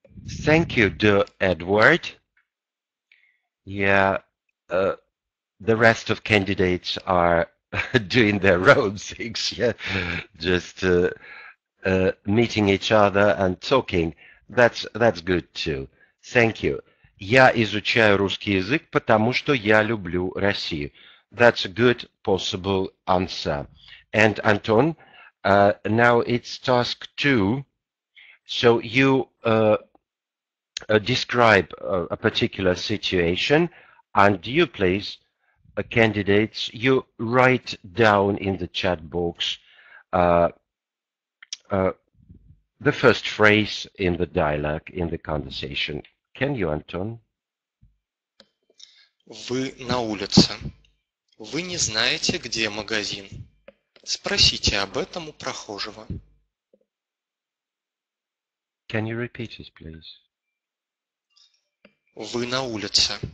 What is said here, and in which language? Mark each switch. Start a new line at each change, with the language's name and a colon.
English: Thank you, Dear Edward. Yeah, the rest of candidates are doing their own things, yeah, just meeting each other and talking. That's good too. Thank you.
Russian: Я изучаю русский язык, потому что я люблю Россию.
English: That's a good possible answer. And Anton, now it's task two. So you describe a particular situation, and you please, candidates, you write down in the chat box the first phrase in the dialogue, in the conversation. Can you, Anton?
Russian: Вы на улице. Вы не знаете, где магазин. Спросите об этом у прохожего.
English: Can you repeat it, please?
Russian: Вы на улице.